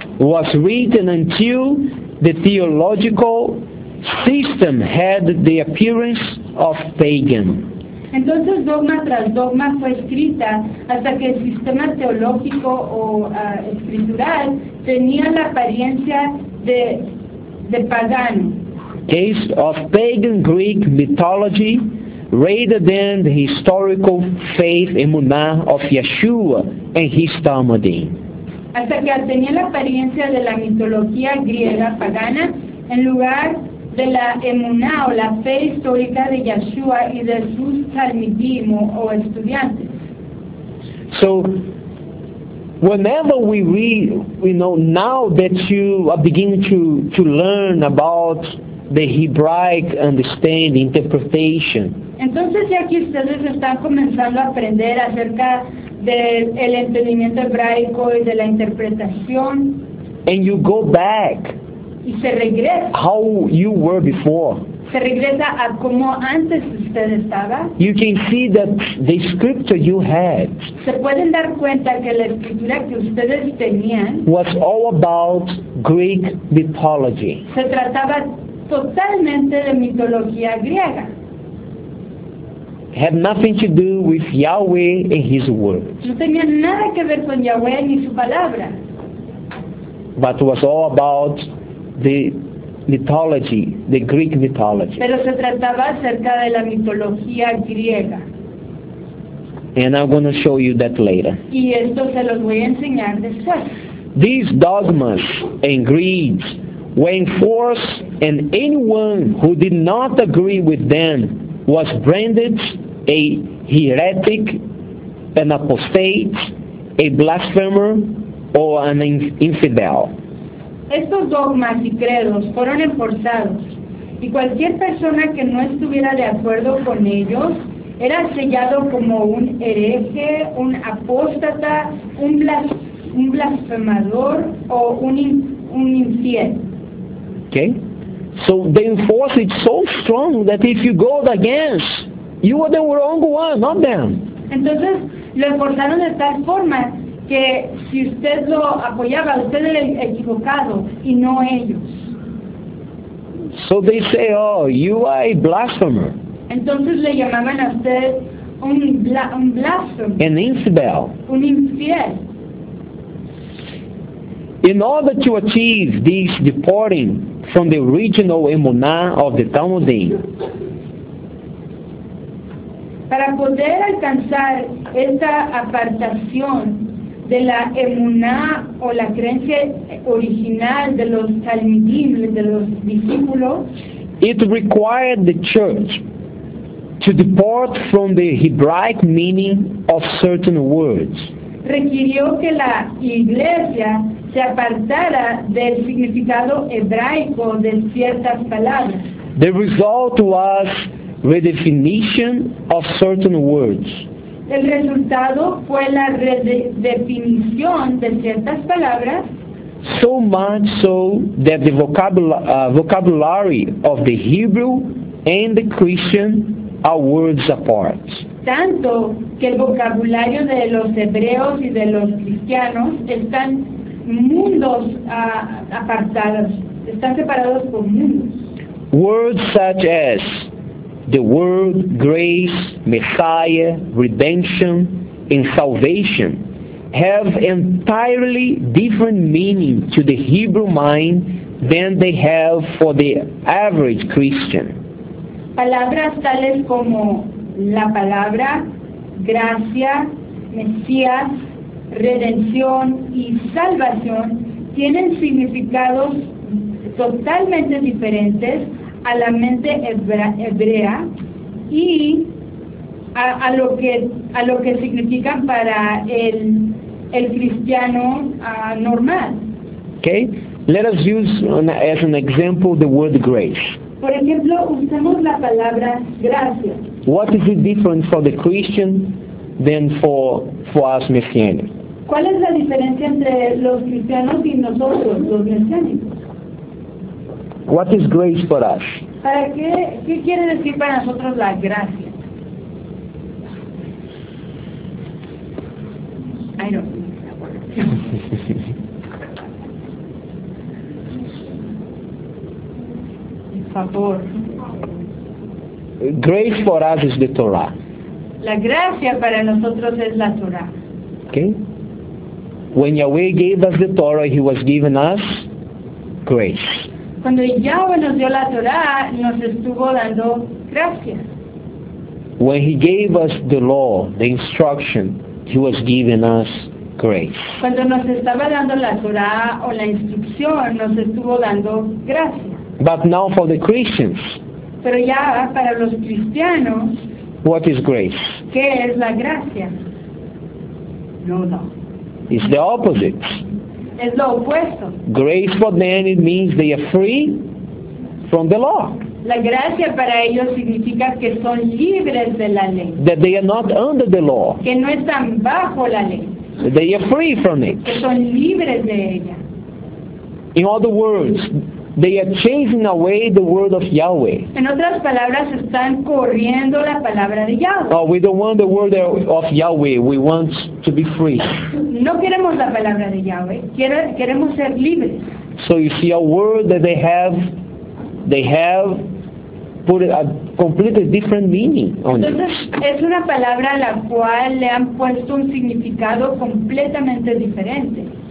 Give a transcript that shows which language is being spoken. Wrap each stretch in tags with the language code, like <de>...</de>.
<en>Was written until the theological system had the appearance of pagan.</en> <es>Entonces dogma tras dogma fue escrita hasta que el sistema teológico o escritural tenía la apariencia de pagano.</es> <en>Case of pagan Greek mythology rather than the historical faith emuná of Yeshua and his Talmudim.</en> <es>Hasta que tenía la apariencia de la mitología griega pagana en lugar de la emuná o la fe histórica de Yeshua y de sus Talmudim o estudiantes.</es> <en>So, whenever we read, you know, now that you are beginning to learn about the Hebraic understanding, interpretation.</en> <es>Entonces ya que ustedes están comenzando a aprender acerca del entendimiento hebraico y de la interpretación.</es> <en>And you go back.</en> <es>Y se regresa.</es> <en>How you were before.</en> <es>Se regresa a como antes usted estaba.</es> <en>You can see that the scripture you had.</en> <es>Se pueden dar cuenta que la escritura que ustedes tenían.</es> <en>Was all about Greek mythology.</en> <es>Se trataba totalmente de mitología griega.</es> <en>Had nothing to do with Yahweh and His word.</en> <es>No tenía nada que ver con Yahweh ni su palabra.</es> <en>But was all about the mythology, the Greek mythology.</en> <es>Pero se trataba acerca de la mitología griega.</es> <en>And I'm going to show you that later.</en> <es>Y esto se los voy a enseñar después.</es> <en>These dogmas and creeds were enforced, and anyone who did not agree with them was branded a heretic, an apostate, a blasphemer, or an infidel.</en> <es>Estos dogmas y credos fueron enforzados, y cualquier persona que no estuviera de acuerdo con ellos era sellado como un hereje, un apóstata, un blasfemador, o un infiel.</es> <en>Okay? So they enforce it so strong that if you go against, you are the wrong one, not them.</en> <es>Entonces, lo enforzaron de tal forma que si usted lo apoyaba, usted era equivocado y no ellos.</es> <en>So they say, oh, you are a blasphemer.</en> <es>Entonces le llamaban a usted un blasphemer.</es> <en>An infidel.</en> <es>Un infiel.</es> <en>In order to achieve this departing from the original emunah of the Talmudim,</en> <es>para poder alcanzar esta apartación de la emunah o la creencia original de los Talmudim, de los discípulos,</es> <en>it required the church to depart from the Hebraic meaning of certain words.</en> <es>Requirió que la iglesia se apartara del significado hebraico de ciertas palabras.</es> <en>The result was redefinition of certain words.</en> <es>El resultado fue la redefinición de ciertas palabras.</es> <en>So much so that the vocabulary of the Hebrew and the Christian are words apart.</en> <es>Tanto que el vocabulario de los hebreos y de los cristianos están mundos apartados, están separados por mundos.</es> <en>Words such as the word grace, Messiah, redemption, and salvation have entirely different meaning to the Hebrew mind than they have for the average Christian.</en> <es>Palabras tales como la palabra gracia, Mesías, redención y salvación tienen significados totalmente diferentes a la mente hebrea y a lo que significan para el cristiano normal.</es> <en>Okay, let us use as an example the word grace.</en> <es>Por ejemplo, usemos la palabra gracia.</es> <en>What is the difference for the Christian than for us Messianic?</en> <es>¿Cuál es la diferencia entre los cristianos y nosotros, los mesiánicos?</es> <en>What is grace for us?</en> <es>¿Para qué quiere decir para nosotros la gracia?</es> <en>I don't think that word.</en> <es>Por favor.</es> <en>Grace for us is the Torah.</en> <es>La gracia para nosotros es la Torah.</es> <en>Okay. When Yahweh gave us the Torah, He was giving us grace.</en> <es>Cuando Yahweh nos dio la Torah, nos estuvo dando gracia.</es> <en>When He gave us the law, the instruction, He was giving us grace.</en> <es>Cuando nos estaba dando la Torah o la instrucción, nos estuvo dando gracia.</es> <en>But now for the Christians.</en> <es>Pero ya para los cristianos.</es> <en>What is grace?</en> <es>¿Qué es la gracia? No.</es> <en>It's the opposite.</en> <es>Es lo opuesto.</es> <en>Grace for them, it means they are free from the law.</en> <es>La gracia para ellos significa que son libres de la ley.</es> <en>That they are not under the law.</en> <es>Que no están bajo la ley.</es> <en>They are free from it.</en> <es>Que son libres de ella.</es> <en>In other words, they are chasing away the word of Yahweh.</en> <es>En otras palabras, están corriendo la palabra de Yahweh.</es> <en>Oh, we don't want the word of Yahweh. We want to be free.</en> <es>No queremos la palabra de Yahweh. Queremos ser libres.</es> <en>So you see a word that they have put a completely different meaning on</en> <es>entonces,</es> <en>it.</en> <es>Es una palabra a la cual le han puesto un significado completamente diferente.</es>